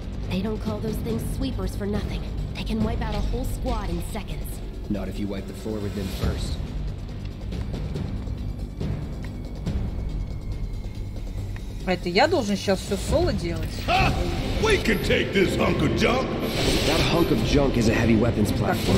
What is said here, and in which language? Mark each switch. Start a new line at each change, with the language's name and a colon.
English: They don't call those things sweepers for nothing. They can wipe out a whole squad in seconds. Not if you wipe the floor with them first.
Russian: Это я должен сейчас все соло делать?
English: Ha! We can take this hunk of junk. That hunk of junk is a heavy weapons platform.